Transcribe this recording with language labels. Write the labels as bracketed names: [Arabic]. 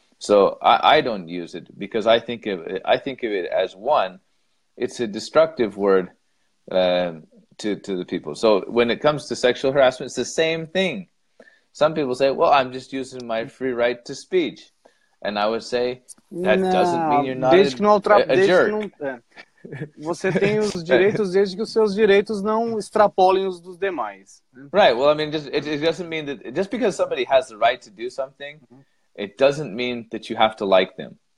[English] So I don't use it because I think of it as one, it's a destructive word to the people. So when it comes to sexual harassment, it's the same thing. Some people say, well, I'm just using my free right to speech. And I would say, that doesn't mean you're not a jerk. [Portuguese] Você tem os direitos desde que os seus direitos não extrapolem os dos demais. [English] Right, well, I mean, it doesn't mean that just because somebody has the right to do something, it doesn't mean that you have to like them.